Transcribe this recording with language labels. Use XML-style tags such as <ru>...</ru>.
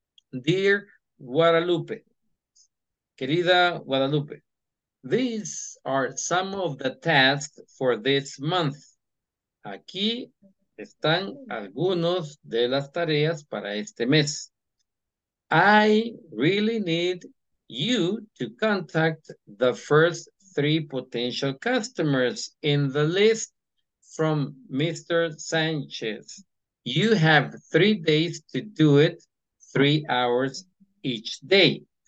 <en>Dear Guadalupe,</en> <es>querida Guadalupe,</es> <en>these are some of the tasks for this month.</en> <es>Aquí están algunos de las tareas para este mes.</es> <en>I really need you to contact the first three potential customers in the list from Mr. Sanchez. You have 3 days to do it, 3 hours each day.</en>